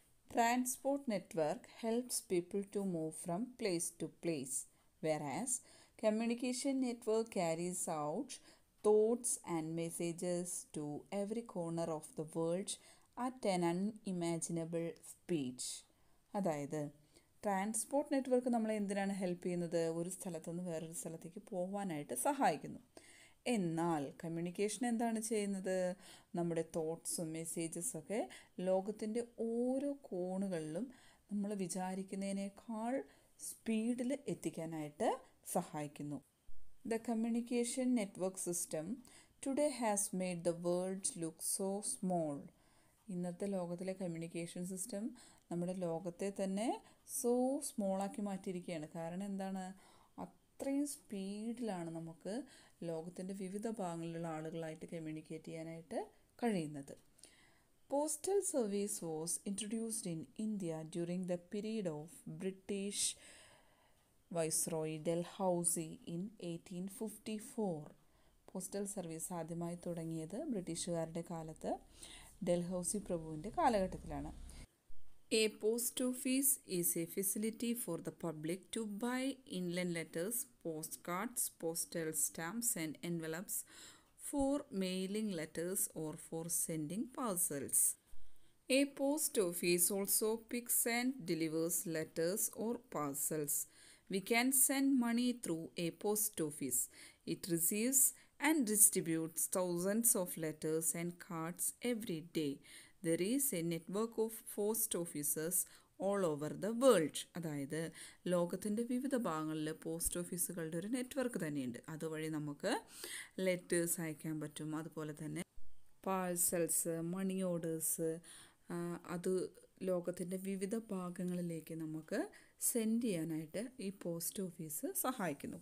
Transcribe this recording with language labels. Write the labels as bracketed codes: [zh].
[en] Transport network helps people to move from place to place, whereas communication network carries out thoughts and messages to every corner of the world at an unimaginable speed. [ml] Adayathu transport network നമ്മൾ എന്തിനാണ് help ചെയ്യുന്നത്? ഒരു സ്ഥലത്തു നിന്ന് വേറൊരു സ്ഥലത്തേക്ക് പോകാനായിട്ട് സഹായിക്കുന്നു. എന്നാൽ കമ്മ്യൂണിക്കേഷൻ എന്താണ് ചെയ്യുന്നത്? നമ്മുടെ തോട്ട്സും മെസ്സേജസൊക്കെ ലോകത്തിൻ്റെ ഓരോ കോണുകളിലും നമ്മൾ വിചാരിക്കുന്നതിനേക്കാൾ സ്പീഡിൽ എത്തിക്കാനായിട്ട് സഹായിക്കുന്നു. [en] The communication network system today has made the world look so small. [ml] ഇന്നത്തെ ലോകത്തിലെ കമ്മ്യൂണിക്കേഷൻ സിസ്റ്റം നമ്മുടെ ലോകത്തെ തന്നെ സോ സ്മോളാക്കി മാറ്റിയിരിക്കുകയാണ്. കാരണം എന്താണ്? അത്രയും സ്പീഡിലാണ് നമുക്ക് ലോകത്തിൻ്റെ വിവിധ ഭാഗങ്ങളിലുള്ള ആളുകളായിട്ട് കമ്മ്യൂണിക്കേറ്റ് ചെയ്യാനായിട്ട് കഴിയുന്നത്. [en] Postal service was introduced in India during the period of British viceroy Dalhousie in 1854. [ml] Postal service ആദ്യമായി തുടങ്ങിയത് ബ്രിട്ടീഷുകാരുടെ കാലത്ത് ഡൽഹൌസി പ്രഭുവിൻ്റെ കാലഘട്ടത്തിലാണ്. [en] A post office is a facility for the public to buy inland letters, postcards, postal stamps and envelopes for mailing letters or for sending parcels. A post office also picks and delivers letters or parcels. We can send money through a post office. It receives and distributes thousands of letters and cards every day. There is a network of post offices all over the world. [ml] അതായത് ലോകത്തിൻ്റെ വിവിധ ഭാഗങ്ങളിൽ post ഓഫീസുകളുടെ ഒരു network തന്നെയുണ്ട്. അതുവഴി നമുക്ക് letters അയക്കാൻ പറ്റും, അതുപോലെ തന്നെ പാഴ്സൽസ്, മണി ഓർഡേഴ്സ്, അത് ലോകത്തിൻ്റെ വിവിധ ഭാഗങ്ങളിലേക്ക് നമുക്ക് സെൻഡ് ചെയ്യാനായിട്ട് ഈ പോസ്റ്റ് ഓഫീസ് സഹായിക്കുന്നു.